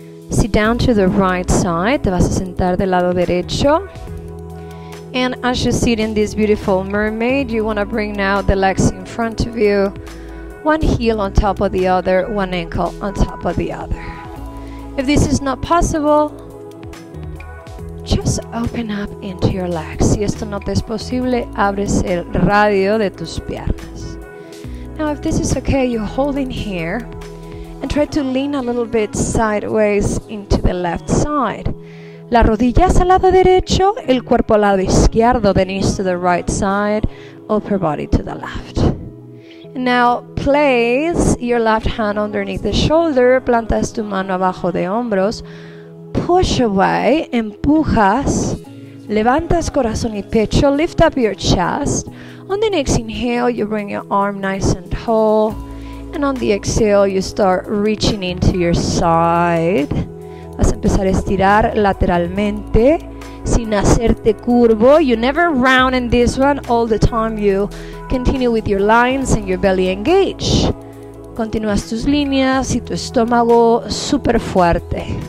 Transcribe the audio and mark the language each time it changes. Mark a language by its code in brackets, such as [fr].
[en] Sit down to the right side. [es] Te vas a sentar del lado derecho. [en] And as you sit in this beautiful mermaid, you wanna bring now the legs in front of you. One heel on top of the other, one ankle on top of the other. If this is not possible, Just open up into your legs. [es] Si esto no te es posible, abres el radio de tus piernas. [en] Now, if this is okay, you hold in here and try to lean a little bit sideways into the left side. [es] Las rodillas al lado derecho, el cuerpo al lado izquierdo, [en] the knees to the right side, upper body to the left. Now, place your left hand underneath the shoulder, [es] plantas tu mano abajo de hombros, [en] push away, [es] empujas, levantas corazón y pecho, [en] lift up your chest. On the next inhale, you bring your arm nice and tall, and on the exhale, you start reaching into your side. [es] Vas a empezar a estirar lateralmente, sin hacerte curvo. [en] You never round in this one, all the time you continue with your lines and your belly engage. [es] Continúas tus líneas y tu estómago súper fuerte.